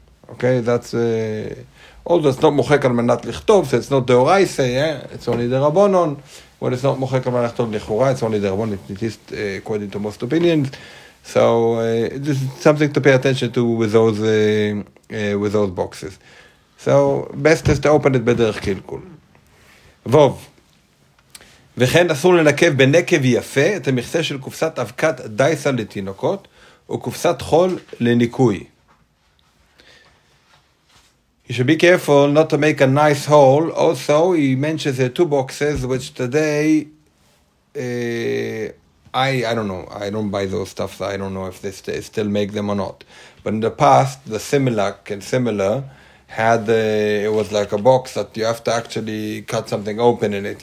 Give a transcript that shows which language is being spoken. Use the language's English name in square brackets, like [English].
[English] Okay, that's although it's not [Hebrew] moichek al manat lichtov, [English] so it's not the oraisa, yeah, it's only the rabbonon. Well, it's not [Hebrew] mochek al manachtol lichura, [English] it's only the one, at least according to most opinions. So, this is something to pay attention to with those boxes. So, best is to open it [Hebrew] bederech kilkul. [English] Vov. [Hebrew] וכן אסור לנקב בנקב יפה את המכסה של קופסת אבקת דייסה לתינוקות, וקופסת חול לניקוי. [English] You should be careful not to make a nice hole. Also, he mentions the two boxes, which today, I don't know. I don't buy those stuff. So I don't know if they still make them or not. But in the past, the Similac and similar had the, it was like a box that you have to actually cut something open in it.